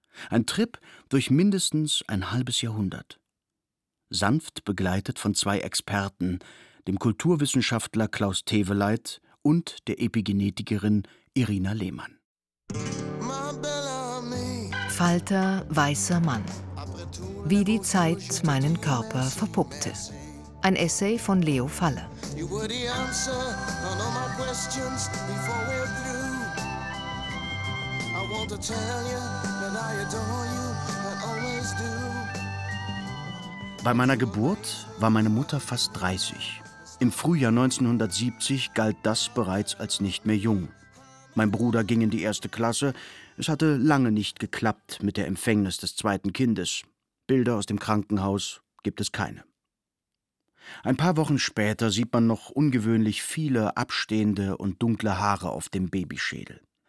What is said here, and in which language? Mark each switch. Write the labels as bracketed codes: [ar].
[de] Ein Trip durch mindestens ein halbes Jahrhundert. Sanft begleitet von zwei Experten, dem Kulturwissenschaftler Klaus Teveleit und der Epigenetikerin Irina Lehmann. Falter, weißer Mann. Wie die Zeit meinen Körper verpuppte. Ein Essay von Leo Faller. [en] You were the answer on all my questions before we're through. I want to tell you that I adore you, I always do. [de] Bei meiner Geburt war meine Mutter fast 30. Im Frühjahr 1970 galt das bereits als nicht mehr jung. Mein Bruder ging in die erste Klasse. Es hatte lange nicht geklappt mit der Empfängnis des zweiten Kindes. Bilder aus dem Krankenhaus gibt es keine. Ein paar Wochen später sieht man noch ungewöhnlich viele abstehende und dunkle Haare auf dem Babyschädel.